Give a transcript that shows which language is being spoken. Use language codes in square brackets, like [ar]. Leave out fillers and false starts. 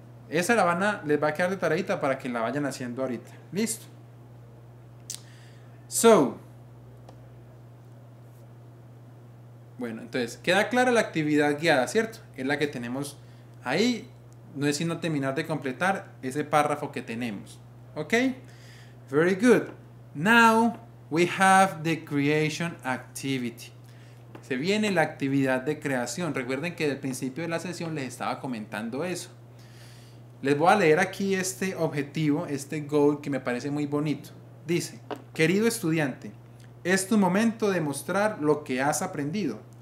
[es] Esa la van a, les va a quedar de tareita para que la vayan haciendo ahorita. Listo. [en] So. [es] Bueno, entonces, queda clara la actividad guiada, ¿cierto? Es la que tenemos ahí, no es sino terminar de completar ese párrafo que tenemos. [en] ¿Ok? Very good. Now we have the creation activity. [es] Se viene la actividad de creación. Recuerden que al principio de la sesión les estaba comentando eso. Les voy a leer aquí este objetivo, este goal que me parece muy bonito. Dice, querido estudiante, es tu momento de mostrar lo que has aprendido.